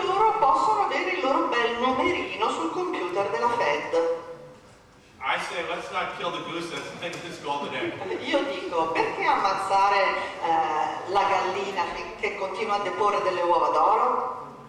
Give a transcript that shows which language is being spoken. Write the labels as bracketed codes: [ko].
[it] E loro possono avere il loro bel numerino sul computer della Fed. [en] I say, let's not kill the goose that's laying this golden egg. [it] Io dico, perché ammazzare la gallina che continua a deporre delle uova d'oro?